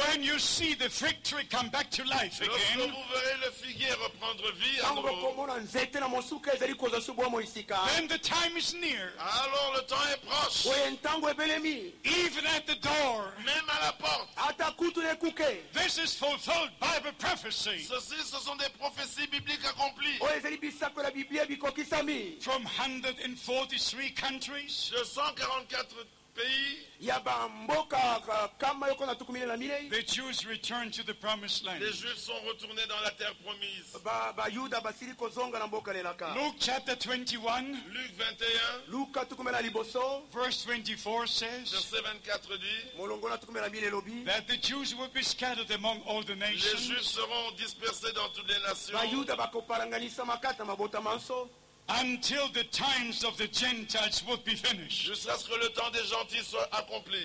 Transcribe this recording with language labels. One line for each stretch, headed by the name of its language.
English: when you see the fig tree come back to life again,
French: lorsque vous verrez le figuier reprendre vie à nouveau,
English: then the time is near.
French: Alors le temps est proche.
English: Even at the door,
French: même à la porte,
English: this is fulfilled by the prophecy.
French: Ceci, ce sont des prophéties bibliques accomplies.
English: From 143 countries,
French: 144 pays,
English: the Jews returned to the promised land.
French: Les Juifs sont retournés dans la terre promise.
English: Luke chapter 21,
French: Luke 21,
English: verse 24 says,
French: verset 24 dit,
English: that the Jews will be scattered among all the nations.
French: Les Juifs seront dispersés dans toutes les nations.
English: Until the times of the Gentiles would be finished.
French: Jusqu'à ce que le temps des gentils soit accompli.